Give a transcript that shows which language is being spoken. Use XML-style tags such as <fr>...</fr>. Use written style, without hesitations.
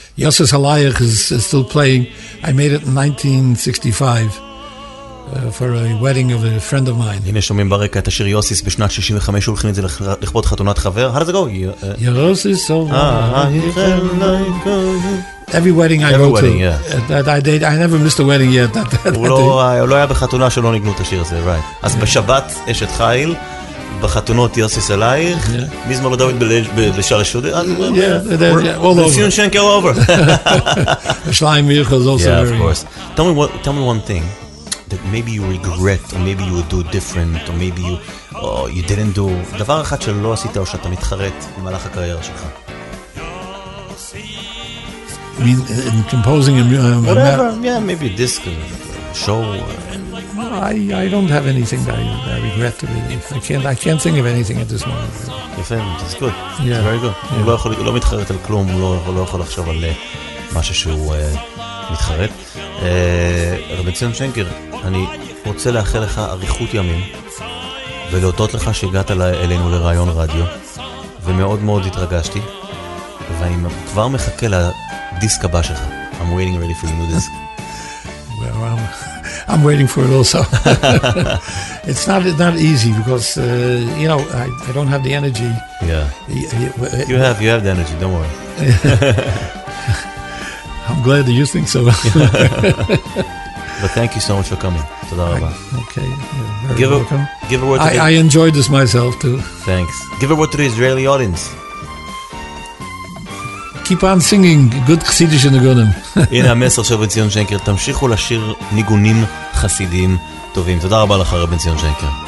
<en>Yosef Halayach is still playing. I made it in 1965 for a wedding of a friend of mine.</en> <he>הנה שומעים ברקע את השיר יוסיס בשנת 65, הולכים את זה לכבוד חתונת חבר.</he> <en>How does it go?</en> <he>יוסיס הלייך.</he> <en>Every wedding I go to, I never missed a wedding yet.</en> <he>הוא לא היה בחתונה שלא ניגנו את השיר הזה,</he> <en>right.</en> <he>אז בשבת אשת חיל, בחתונות יוסיס עלייך, מזמור לדוד בשער השודר.</he> <en>Yeah, all over. ציון שנקר all over. שליים מיכל is also very... Yeah, of course. Tell me one thing that maybe you regret, or maybe you would do different, or maybe you didn't do.</en> <he>דבר אחד שלא עשית או שאתה מתחרט במהלך הקריירה שלך.</he> <en>I mean, in composing... Whatever, yeah, maybe this show... I don't have anything that I regret to be. I can't think of anything at this moment. Different, it's good. Yeah. It's very good. Yeah.</en> <he>הוא לא יכול, הוא לא מתחרט על כלום, הוא לא יכול לחשוב על משהו שהוא מתחרט. רבי ציון שנקר, אני רוצה לאחל לך אריכות ימים, ולהודות לך שהגעת אלינו לרעיון רדיו, ומאוד מאוד התרגשתי, ואני כבר מחכה לדיסק הבא שלך.</he> <en>I'm waiting really for the new disc. I'm waiting for it also. it's not easy because you know, I don't have the energy. Yeah. You have the energy, don't worry. I'm glad that you think so. But thank you so much for coming.</en> <he>Tada raba.</he> <en>Okay. Give a word to I enjoyed this myself too. Thanks. Give a word to the Israeli audience. Keep on singing good chassidish nigunim.</en> <he>הנה המסר של רבי ציון שנקר, תמשיכו לשיר ניגונים חסידיים טובים. תודה רבה לך רבי ציון שנקר.</he>